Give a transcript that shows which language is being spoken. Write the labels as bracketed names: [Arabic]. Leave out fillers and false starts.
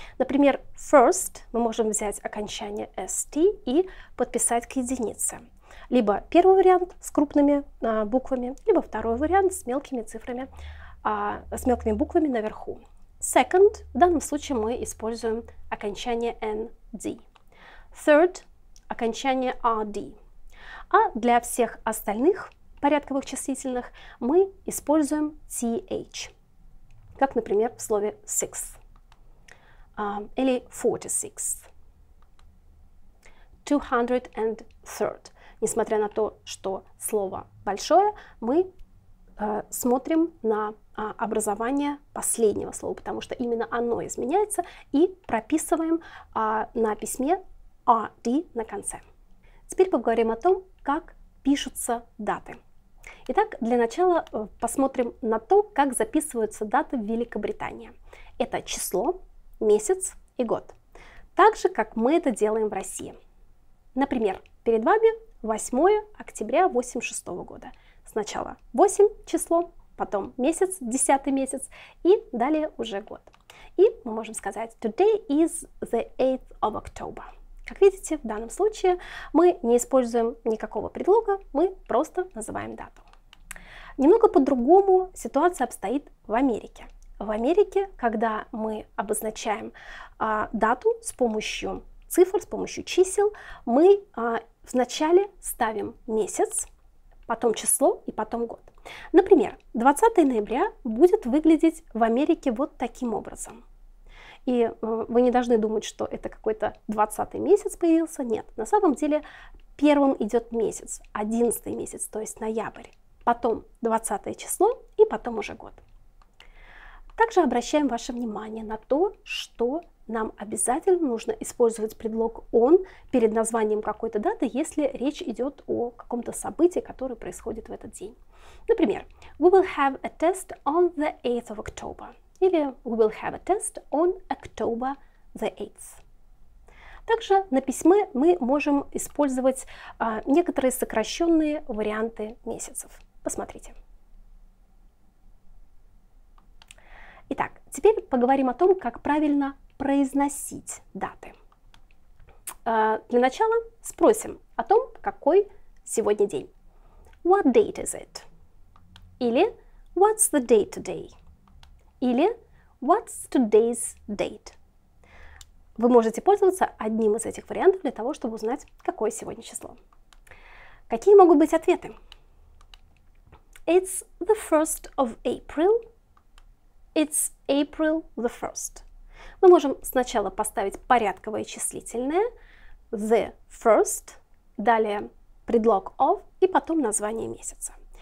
[Russian] Например, first мы можем взять окончание st и подписать к единице. Либо первый вариант с крупными буквами, либо второй вариант с мелкими цифрами, с мелкими буквами наверху. Second, в данном случае мы используем окончание nd. Third, окончание rd. А для всех остальных порядковых числительных мы используем th, как, например, в слове sixth. или [English] 46th, 203rd. [Russian] Несмотря на то, что слово большое, мы смотрим на образование последнего слова, потому что именно оно изменяется, и прописываем на письме RD на конце. Теперь поговорим о том, как пишутся даты. Итак, для начала посмотрим на то, как записываются даты в Великобритании. Это число, месяц и год. Так же, как мы это делаем в России. Например, перед вами 8 октября 86 года. Сначала 8 число, потом месяц, 10 месяц и далее уже год. И мы можем сказать [English] today is the 8th of October. [Russian] Как видите, в данном случае мы не используем никакого предлога, мы просто называем дату. Немного по-другому ситуация обстоит в Америке. В Америке, когда мы обозначаем дату с помощью цифр, с помощью чисел, мы вначале ставим месяц, потом число и потом год. Например, 20 ноября будет выглядеть в Америке вот таким образом. И вы не должны думать, что это какой-то 20 месяц появился. Нет, на самом деле первым идет месяц, 11 месяц, то есть ноябрь. Потом 20 число и потом уже год. Также обращаем ваше внимание на то, что нам обязательно нужно использовать предлог on перед названием какой-то даты, если речь идет о каком-то событии, которое происходит в этот день. Например, [English] we will have a test on the 8th of October. [Russian] Или [English] we will have a test on October the 8th. [Russian] Также на письме мы можем использовать некоторые сокращенные варианты месяцев. Посмотрите. Итак, теперь поговорим о том, как правильно произносить даты. Для начала спросим о том, какой сегодня день. [English] What date is it? [Russian] Или [English] what's the date today? Или what's today's date? [Russian] Вы можете пользоваться одним из этих вариантов для того, чтобы узнать, какое сегодня число. Какие могут быть ответы? [English] It's the 1st of April. It's April the 1st. [Russian] Мы можем сначала поставить порядковое числительное, [English] the first, [Russian] далее предлог of и потом название месяца.